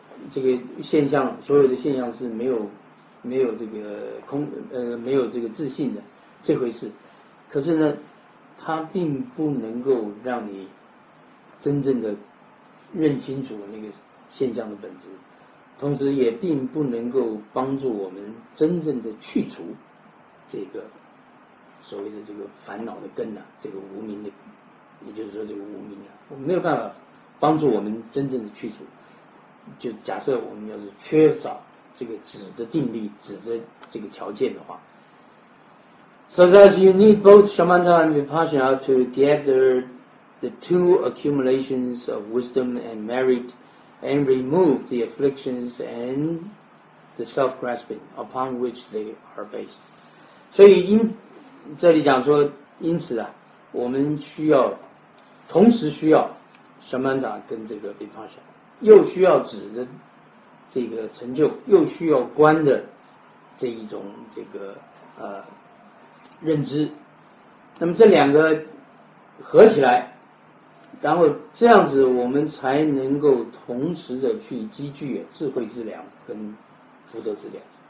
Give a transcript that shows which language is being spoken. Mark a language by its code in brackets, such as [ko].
[zh] 这个现象，所有的现象是没有这个空没有这个自信的这回事，可是呢它并不能够让你真正的认清楚那个现象的本质，同时也并不能够帮助我们真正的去除这个所谓的这个烦恼的根啊，这个无明的，也就是说这个无明啊，我们没有办法帮助我们真正的去除。就假设我们要是缺少这个止的定力，止的这个条件的话， [en] So thus you need both shamatha and vipassana to gather the two accumulations of wisdom and merit and remove the afflictions and the self-grasping upon which they are based。 [zh] 所以这里讲说，因此啊，我们需要同时需要 shamatha 跟这个 vipassana，又需要止的这个成就，又需要观的这一种这个认知，那么这两个合起来，然后这样子我们才能够同时的去积聚智慧之粮跟福德之粮。